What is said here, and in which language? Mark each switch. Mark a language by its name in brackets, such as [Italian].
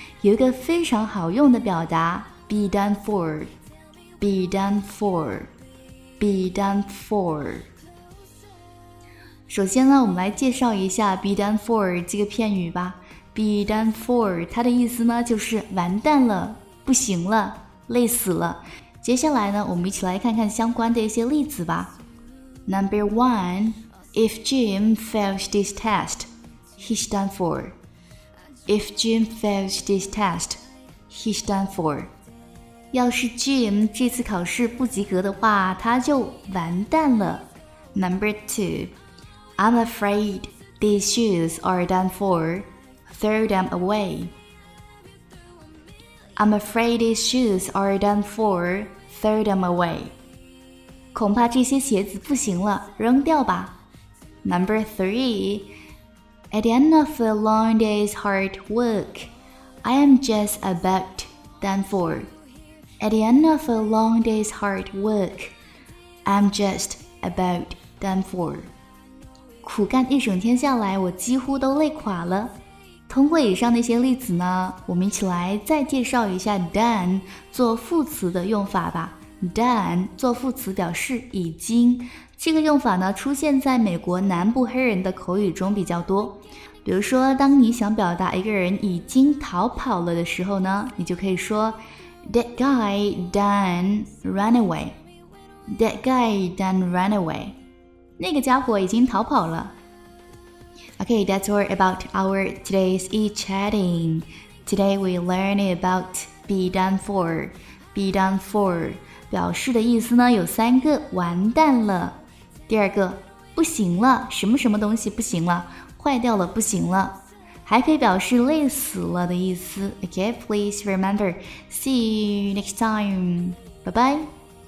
[Chinese] 有一个非常好用的表达， be done for be done for be done for。首先呢，我们来介绍一下 be done for 这个片语吧。 be done for 它的意思呢就是完蛋了，不行了，累死了。接下来呢，我们一起来看看相关的一些例子吧。 [English] Number one, if Jim fails this test, he's done for. If Jim fails this test, he's done for. [Chinese] 要是 Jim 这次考试不及格的话，他就完蛋了。 [English] Number two,I'm afraid these shoes are done for. Throw them away. I'm afraid these shoes are done for. Throw them away. [Chinese] 恐怕这些鞋子不行了，扔掉吧。 [English] Number three. At the end of a long day's hard work, I am just about done for. At the end of a long day's hard work, I'm just about done for. [Chinese] 苦干一整天下来，我几乎都累垮了。通过以上那些例子呢，我们一起来再介绍一下 done 做副词的用法吧。 done 做副词表示已经，这个用法呢出现在美国南部黑人的口语中比较多。比如说当你想表达一个人已经逃跑了的时候呢，你就可以说 [English] that guy done run away, [Chinese] that guy done run away,那个家伙已经逃跑了。 [English] Okay, that's all about our today's e-chatting. Today we learn about be done for. Be done for [Chinese] 表示的意思呢有三个，完蛋了，第二个不行了，什么什么东西不行了，坏掉了，不行了，还可以表示累死了的意思。 [English] Okay, please remember. See you next time. Bye bye.